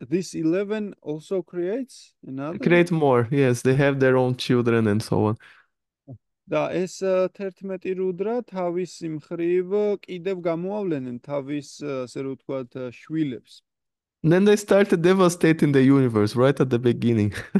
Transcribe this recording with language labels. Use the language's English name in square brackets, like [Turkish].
[English] This 11 also creates another. Create more, yes, they have their own children and so on. [Georgian] და ეს 11 რუდრა თავის მხრივ კიდევ გამოავლენენ თავის, ასე რომ ვთქვათ, შვილებს. [English] Then they started devastating the universe right at the beginning.